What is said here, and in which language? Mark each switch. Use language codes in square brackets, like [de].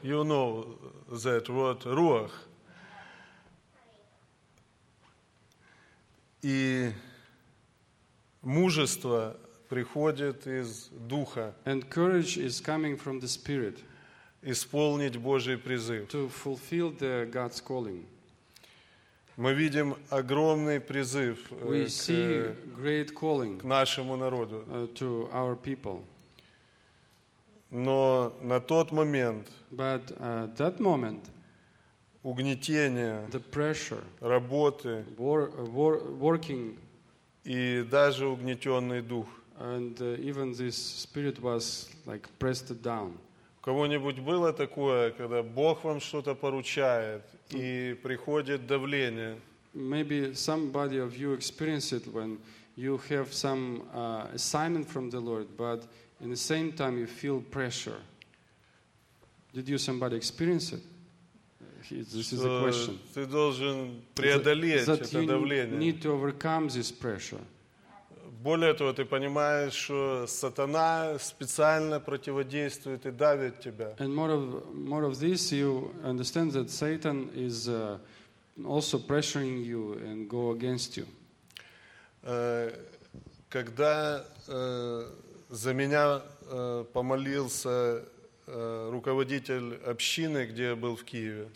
[en] You know that word, руах. [ru] И мужество приходит из духа. [en] And courage is coming from the spirit. [ru] Исполнить Божий призыв. [en] To fulfill the God's calling. [ru] Мы видим огромный призыв. [en] We see great calling. [ru] К нашему народу. [en] To our people. [ru] Но на тот момент. [en] But that moment. [ru] Угнетение. [en] The pressure. [ru] Работы. [en] Working. [ru] И даже угнетенный дух. [en] And even this spirit was like pressed down. [ru] У кого-нибудь было такое, когда Бог вам что-то поручает, и приходит давление? [en] Maybe somebody of you experienced it when you have some assignment from the Lord, but in the same time you feel pressure. Did you somebody experience it? This is a question. [ru] Ты должен преодолеть это давление. [en] You need to overcome this pressure. [ru] Более того, ты понимаешь, что сатана специально противодействует и давит тебя. [en] And more of this, you understand that Satan is also pressuring you and go against you. [ru] Когда за меня помолился руководитель общины, где я был в Киеве.